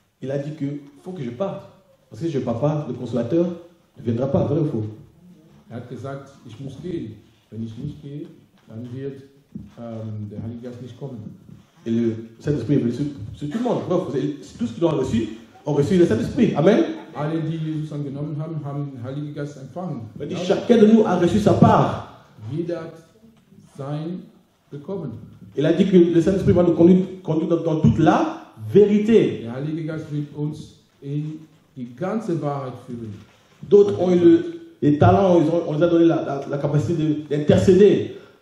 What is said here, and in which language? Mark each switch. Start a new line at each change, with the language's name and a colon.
French: Il a dit que faut que je parte, parce que si je ne pars pas, le consolateur ne viendra pas, vrai ou faux?
German: Er hat gesagt, ich muss gehen. Wenn ich nicht gehe, dann wird der Heilige Geist nicht kommen.
French: Et le Saint-Esprit est venu sur tout le monde. Non, c'est tous ceux qui l'ont reçu ont reçu le Saint-Esprit. Amen.
German: Alle, die Jesus angenommen haben, haben den Heiligen Geist empfangen.
French: Mais dit, chacun de nous a reçu sa part.
German: Jeder hat sein bekommen.
French: Il a dit que le Saint-Esprit va nous conduire dans toute la vérité.
German: Der Heilige Geist wird uns in die ganze Wahrheit führen.
French: D'autres ont eu les talents, on les a donné la capacité d'intercéder.